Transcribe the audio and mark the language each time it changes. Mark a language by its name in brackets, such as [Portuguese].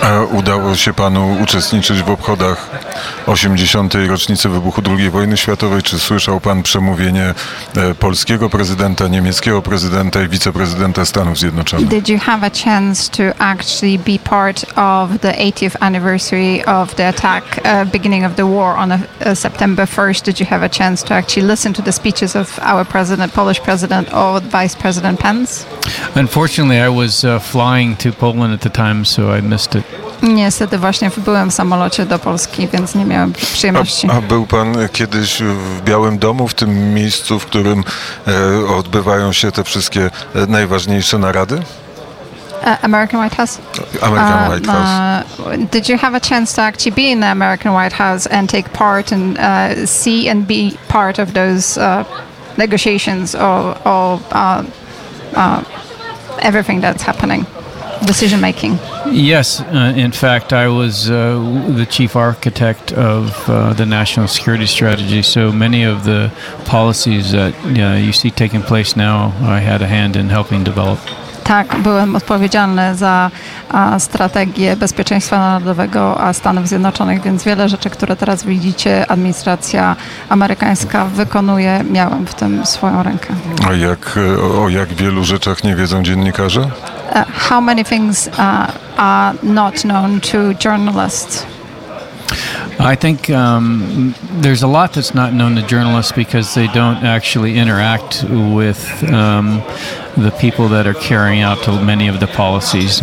[Polish] Udało się panu uczestniczyć w obchodach 80. rocznicy wybuchu II wojny światowej. Czy słyszał pan przemówienie polskiego prezydenta, niemieckiego prezydenta i wiceprezydenta Stanów Zjednoczonych? [English] Did you have a chance to actually be part of the 80th anniversary of the attack, beginning of the war on September 1st? Did you have a chance to actually listen to the speeches of our president, Polish president, or Vice President Pence? Unfortunately, I was flying to Poland at the time, so I missed it. [Polish] Niestety właśnie byłem w samolocie do Polski, więc nie miałem przyjemności. A był pan kiedyś w Białym Domu, w tym miejscu, w którym odbywają się te wszystkie najważniejsze narady? [English] American White House? American White House. Did you have a chance to actually be in the American White House and take part and see and be part of those negotiations of everything that's happening? Decision making. Yes, in fact, I was the chief architect of the national security strategy. So many of the policies that you see taking place now, I had a hand in helping develop. [Polish] Tak, byłem odpowiedzialny za strategię bezpieczeństwa narodowego Stanów Zjednoczonych, więc wiele rzeczy, które teraz widzicie, administracja amerykańska wykonuje, miałem w tym swoją rękę. A jak wielu rzeczach nie wiedzą dziennikarze? [English] how many things are not known to journalists? I think there's a lot that's not known to journalists because they don't actually interact with the people that are carrying out many of the policies.